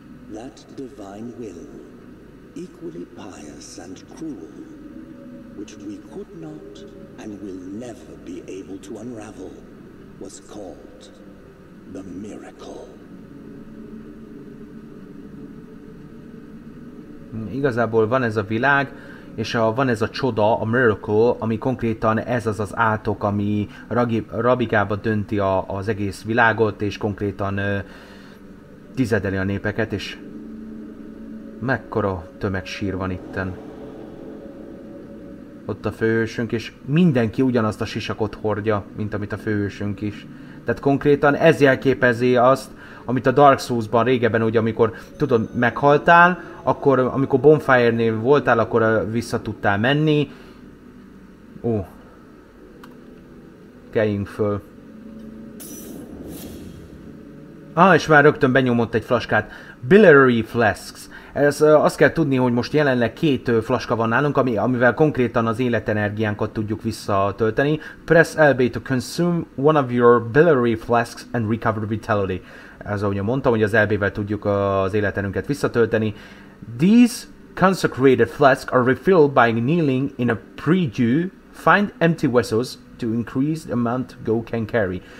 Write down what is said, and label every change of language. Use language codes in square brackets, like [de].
[en] That divine will, equally pious and cruel, which we could not and will never be able to unravel, was called the miracle. [hu] Igazából van ez a világ, és van ez a csoda, a miracle, ami konkrétan ez az az átok, ami rabigába dönti az egész világot, és konkrétan tizedeli a népeket, és mekkora tömeg sír van itten. Ott a főhősünk, és mindenki ugyanazt a sisakot hordja, mint amit a főhősünk is. Tehát konkrétan ez jelképezi azt, amit a Dark Souls-ban régebben, ugye, amikor tudod, meghaltál, akkor amikor Bonfire-nél voltál, akkor vissza tudtál menni. Ó. Keljünk föl. Ah, és már rögtön benyomott egy flaskát. Biliary Flasks. Ez azt kell tudni, hogy most jelenleg két flaska van nálunk, amivel konkrétan az életenergiánkat tudjuk visszatölteni. [en] Press LB to consume one of your biliary flasks and recover vitality. [hu] Ez ahogy mondtam, hogy az LB-vel tudjuk az életenünket visszatölteni. [en] These consecrated flasks are refilled by kneeling in a pre-due. Find empty vessels to increase the amount go can carry.